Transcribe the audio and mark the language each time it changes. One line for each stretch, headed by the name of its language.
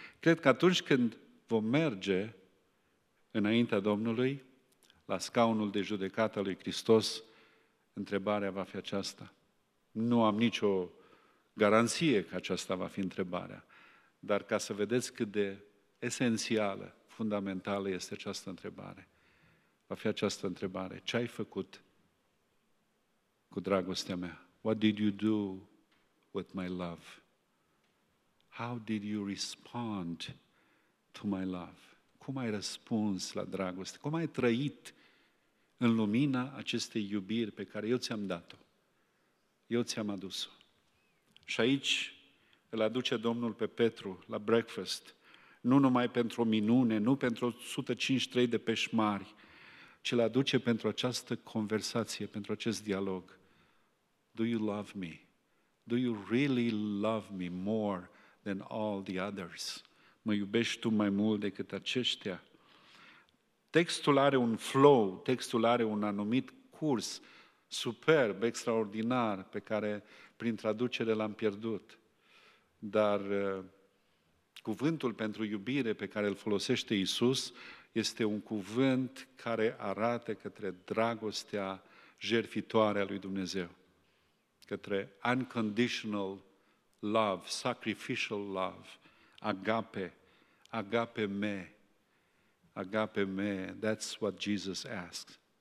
Romanian: Cred că atunci când vom merge înaintea Domnului, la scaunul de judecată al lui Hristos, întrebarea va fi aceasta. Nu am nicio garanție că aceasta va fi întrebarea, dar ca să vedeți cât de esențială, fundamentală este această întrebare. Va fi această întrebare. Ce ai făcut cu dragostea mea?
English: What did you do with my love? How did you respond to my love?
Romanian: Cum ai răspuns la dragoste? Cum ai trăit în lumina acestei iubiri pe care eu ți-am dat-o? Eu ți-am adus-o. Și aici îl aduce Domnul pe Petru la breakfast, nu numai pentru o minune, nu pentru 153 de peșmari, ci îl aduce pentru această conversație, pentru acest dialog.
English: Do you love me? Do you really love me more than all the others?
Romanian: Mă iubești tu mai mult decât aceștia? Textul are un flow, textul are un anumit curs superb, extraordinar, pe care prin traducere l-am pierdut. Dar cuvântul pentru iubire pe care îl folosește Iisus este un cuvânt care arată către dragostea jertfitoare a lui Dumnezeu, către
English: unconditional love, sacrificial love, agape, agape me, agape me, that's what Jesus asks.